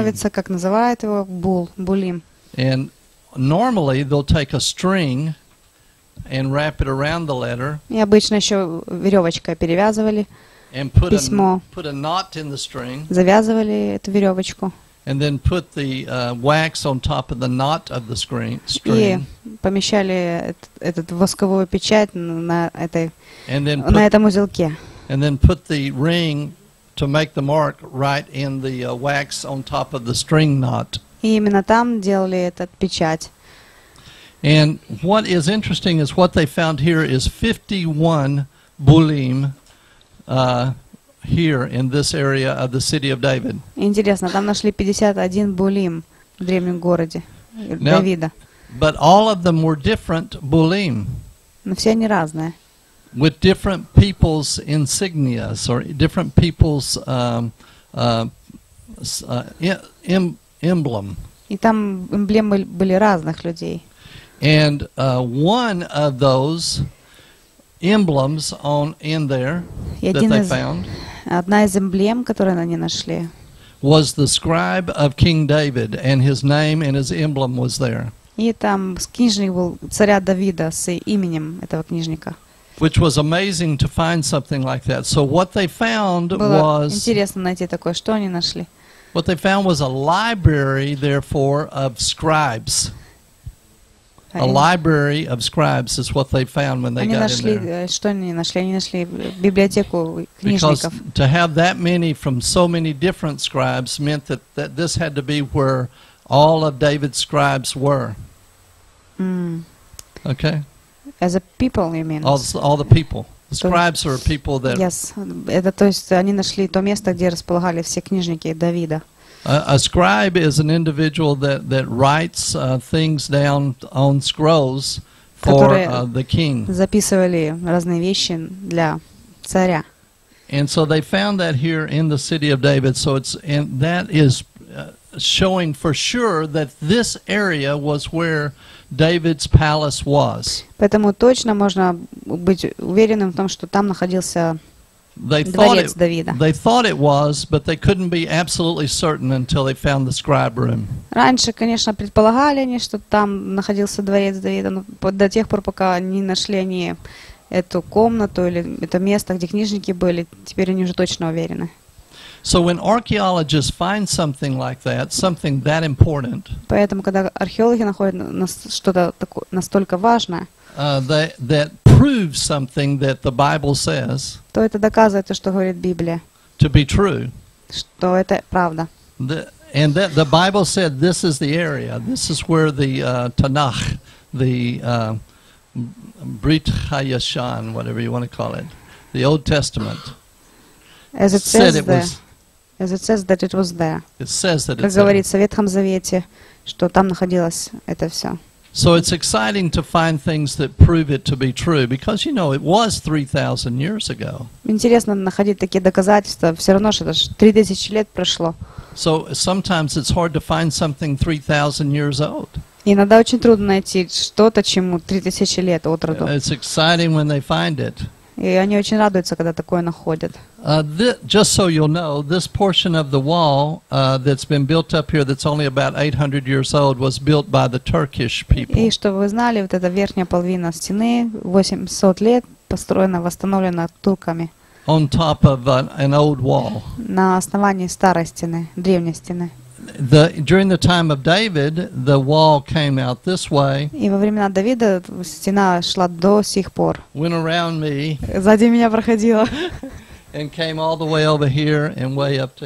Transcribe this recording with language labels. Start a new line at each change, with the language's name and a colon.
Russian: Становится, как называют его, булим.
English: And normally they'll take a string and wrap it around the letter.
Russian: И обычно еще веревочкой перевязывали письмо.
English: Put a knot in the string.
Russian: Завязывали эту веревочку.
English: And then put the wax on top of the knot of the string.
Russian: И помещали этот восковую печать на этом узелке.
English: And then put the ring to make the mark right in the wax on top of the string knot.
Russian: И именно там делали этот печать.
English: And what is interesting is what they found here is 51 bulim here in this area of the city of David.
Russian: Интересно, там нашли 51 булим в древнем городе Давида.
English: But all of them were different bulim.
Russian: Но все они разные.
English: With different people's insignias or different people's emblem.
Russian: И там эмблемы были разных людей.
English: And one of those emblems on in there that they found.
Russian: Одна из эмблем, которую они нашли.
English: Was the scribe of King David, and his name and his emblem was there.
Russian: И там книжник был царя Давида с именем этого книжника.
English: Which was amazing to find something like that. So what they found was.
Russian: Было интересно найти такое. Что они нашли?
English: What they found was a library, therefore, of scribes. A library of scribes is what they found when they got in there.
Russian: Что они нашли? Они нашли библиотеку книжников.
English: Because to have that many from so many different scribes meant that this had to be where all of David's scribes were. Okay. As a people, you mean? All the people. The scribes are people that.
Russian: Yes, это то есть они нашли то место, где располагали все книжники Давида.
English: A scribe is an individual that writes things down on scrolls for the king.
Russian: Записывали разные вещи для царя.
English: And so they found that here in the city of David. So it's and that is showing for sure that this area was where David's palace was.
Russian: Поэтому точно можно быть уверенным в том, что там находился дворец Давида.
English: They thought it was, but they couldn't be absolutely certain until they found the scribe room.
Russian: Раньше, конечно, предполагали они, что там находился дворец Давида, но до тех пор, пока не нашли они эту комнату или это место, где книжники были, теперь они уже точно уверены.
English: So when archaeologists find something like that, something that important,
Russian: поэтому когда археологи находят что-то такое настолько важное,
English: that proves something that the Bible says,
Russian: то это доказывает то, что говорит Библия,
English: to be true,
Russian: что это правда.
English: And that the Bible said this is the area, this is where the Tanakh, the Brit Hayashan, whatever you want to call it, the Old Testament, as it says it was. As it says that it was there. It says that it's
Russian: there. Как говорится в Ветхом Завете, что там находилось это все.
English: So it's exciting to find things that prove it to be true, because you know it was 3,000 years ago.
Russian: Интересно находить такие доказательства. Все равно что 3000 лет прошло.
English: So sometimes it's hard to find something 3,000 years old.
Russian: Иногда очень трудно найти что-то, чему 3000 лет от роду.
English: It's exciting when they find it.
Russian: И они очень радуются, когда такое находят.
English: Just so you'll know, this portion of the wall that's been built up here, that's only about 800 years old, was built by the Turkish people.
Russian: И чтобы вы знали, вот эта верхняя половина стены 800 лет построена, восстановлена турками.
English: on top of an old wall.
Russian: На основании старой стены, древней стены.
English: During the time of David, the wall came out this way.
Russian: И во времена Давида стена шла до сих пор.
English: Went around me.
Russian: Сзади меня проходила.
English: And came all the way over here and way up to.